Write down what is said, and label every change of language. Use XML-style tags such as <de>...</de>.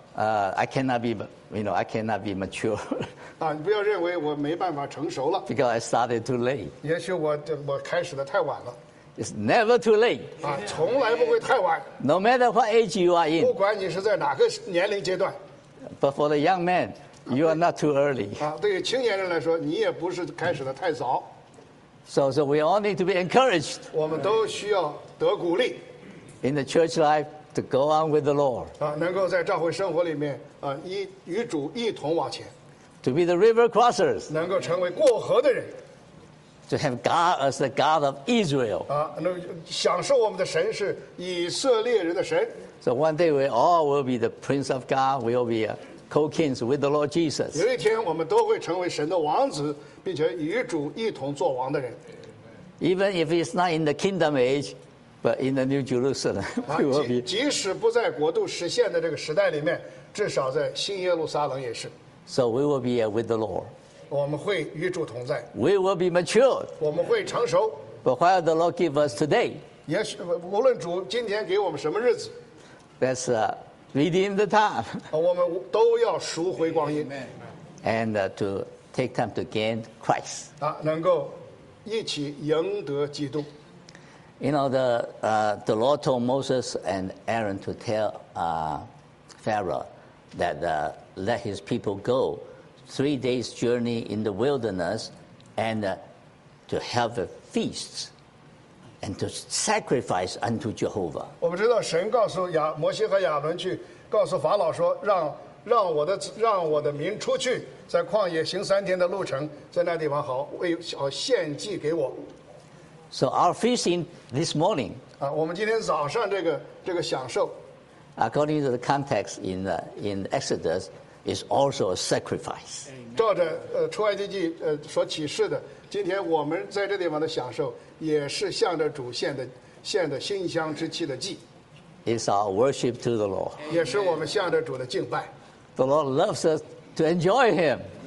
<en>I cannot be mature.</en> <zh>你不要认为我没办法成熟了。</zh> <en>Because I started too late.</en> <zh>也许我开始的太晚了。</zh> <en>It's never too late.</en> <zh>从来不会太晚。</zh> <en>No matter what age you are in.</en> <zh>不管你是在哪个年龄阶段。</zh> <en>But for the young man, you are not too early.</en> <zh>对于青年人来说，你也不是开始的太早。</zh> <en>So we all need to be encouraged.</en> <zh>我们都需要得鼓励。</zh> <en>In the church life, to go on with the Lord.</en> <zh>能够在教会生活里面，与主一同往前。</zh> <en>To be the river crossers.</en> <zh>能够成为过河的人。</zh> <en>To have God as the God of Israel.</en> <zh>那享受我们的神是以色列人的神。</zh> <en>So one day we all will be the Prince of God. We will be co-kings with the Lord Jesus.</en> <zh>有一天我们都会成为神的王子，并且与主一同做王的人。</zh> <en>Even if it's not in the kingdom age, but in the New Jerusalem, we will be.</en> <zh>即使不在国度实现的这个时代里面，至少在新耶路撒冷也是。</zh> <en>So we will be with the Lord.</en> <zh>我们会与主同在。</zh> <en>We will be mature.</en> <zh>我们会成熟。</zh> <en>But what the Lord give us today?</en> <zh>也许无论主今天给我们什么日子。</zh> <en>That's redeem the time.</en> <zh>我们都要赎回光阴。</zh> <en>And to take time to gain Christ.</en> <zh>能够一起赢得基督。</zh> <en>You know the Lord told Moses and Aaron to tell Pharaoh that let his people go 3 days journey in the wilderness and to have a feast and to sacrifice unto Jehovah.</en> <zh>我们知道神告诉摩西和亚伦去告诉法老说让我的民出去，在旷野行三天的路程，在那地方好献祭给我。</zh> <en>So our feasting this morning.</en> <zh>我们今天早上这个享受。</zh> <en>According to the context in Exodus, is also a sacrifice.</en> <zh>照着出埃及记所启示的，今天我们在这地方的享受，也是向着主献的馨香之气的祭。</zh> <en>It's our worship to the Lord.</en> <zh>也是我们向着主的敬拜。</zh> <en>The Lord loves us to enjoy Him.</en>